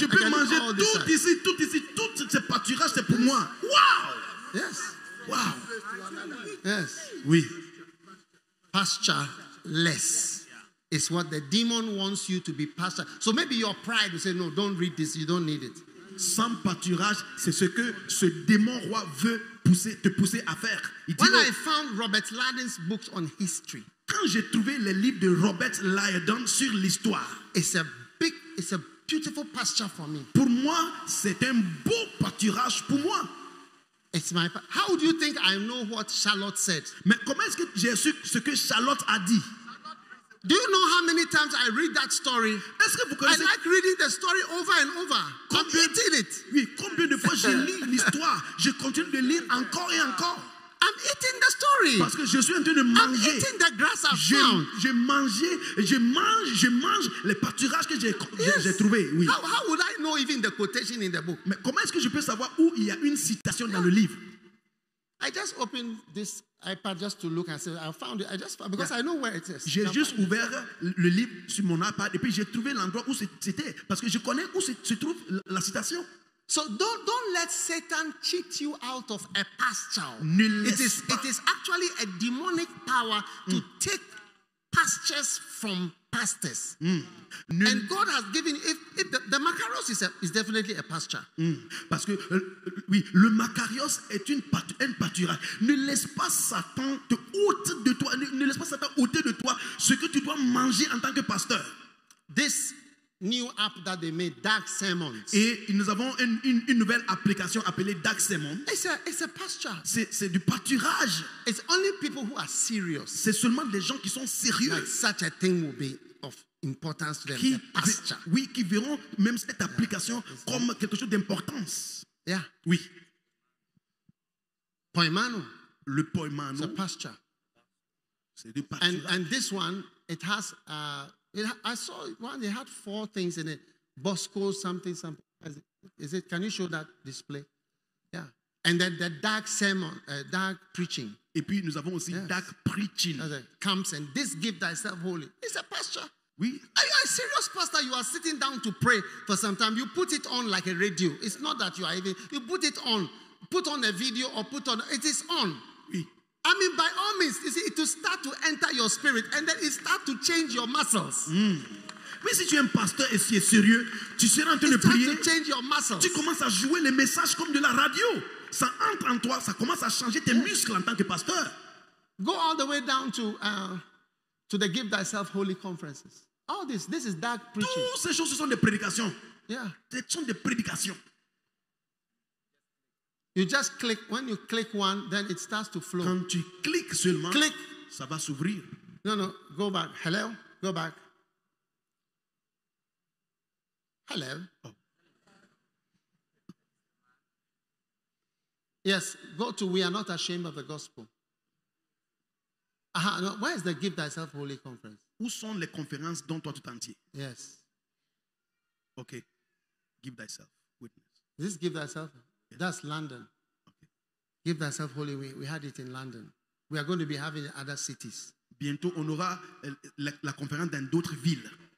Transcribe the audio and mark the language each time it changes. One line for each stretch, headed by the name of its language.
French: Je peux manger tout ici, tout ici. Tout ce pâturage, c'est pour moi. Wow.
English: Yes. Wow. Yes.
French: Oui.
English: Pastureless. It's what the demon wants you to be pasture. So maybe your pride will say, no, don't read this. You don't need it.
French: Sans pâturage, c'est ce que ce démon roi veut pousser, te pousser à faire.
English: Il dit, I found Robert Lydon's books on history,
French: quand j'ai trouvé les livres de Robert Lydon sur l'histoire,
English: it's a beautiful pasture for me.
French: Pour moi, c'est un beau pâturage pour moi.
English: It's my. How do you think I know what Charlotte said?
French: Mais comment est-ce que j'ai su ce que Charlotte a dit?
English: Do you know how many times I read that story?
French: Est-ce que vous
English: I like reading the story over and over. I'm eating it.
French: Oui, combien de fois je lis l'histoire, je continue de lire encore et encore.
English: I'm eating the story.
French: Parce que je suis en train de manger.
English: I'm eating the grass I found.
French: Je mange les pâturages que j'ai trouvé. Oui.
English: How would I know even the quotation in the book?
French: Mais comment est-ce que je peux savoir où il y a une citation dans le livre?
English: I just opened this iPad just to look and say I found it. I just found, because I know where it is.
French: J'ai juste ouvert le livre sur mon iPad et puis j'ai trouvé l'endroit où c'était parce que je connais où se trouve la citation.
English: So don't let Satan cheat you out of a pasture.
French: Ne laisse pas.
English: It is actually a demonic power to take pastures from pastors. And God has given if the Makarios is definitely a pasture.
French: Parce que oui, le Makarios est une pâturage. Ne laisse pas Satan te ôter de toi. Ne laisse pas Satan ôter de toi ce que tu dois manger en tant que pasteur.
English: This new app that they made, Dark Sermons.
French: Et nous avons une nouvelle application appelée Dark Sermons.
English: It's a pasture.
French: C'est du pâturage.
English: It's only people who are serious.
French: C'est seulement des gens qui sont sérieux.
English: Like such a thing will be of importance to them. Qui, pasture.
French: Oui, qui verront même cette application comme quelque chose d'importance.
English: Yeah.
French: Oui.
English: Poimano.
French: Le poimano.
English: It's a pasture.
French: C'est du pasturage.
English: And this one, it has. I saw one. They had four things in it. Bosco, something, something. Is it? Can you show that display? Yeah. And then the dark sermon, dark preaching.
French: Et puis nous avons aussi
English: dark preaching. Okay. Comes and this give thyself holy. It's a pasture.
French: Oui.
English: Are you a serious pastor? You are sitting down to pray for some time. You put it on like a radio. It's not that you are even. You put it on. Put on a video or put on. It is on. I mean, by all means, you see, it will start to enter your spirit and then it starts to change your muscles.
French: Mais si tu es un pasteur et si tu es sérieux, tu seras en train
English: it
French: de prier.
English: To change your muscles.
French: Tu commences à jouer les messages comme de la radio. Ça entre en toi, ça commence à changer tes muscles en tant que pasteur.
English: Go all the way down to the Give Thyself Holy Conferences. All this is dark preaching.
French: Toutes ces choses, ce sont des prédications.
English: Yeah.
French: Ce sont des prédications.
English: You just click. When you click one, then it starts to flow.
French: Quand tu cliques seulement,
English: click.
French: Ça va s'ouvrir.
English: No. Go back. Hello? Go back. Hello? Oh. Yes. Go to We Are Not Ashamed of the Gospel. No, where is the Give Thyself Holy Conference?
French: Où sont les conférences dont toi tout entier?
English: Yes. Okay. Give Thyself Witness. This Give Thyself? Yes. That's London. Give thyself holy. We had it in London. We are going to be having it in other cities.
French: Bientôt, on aura la conférence dans d'autres villes.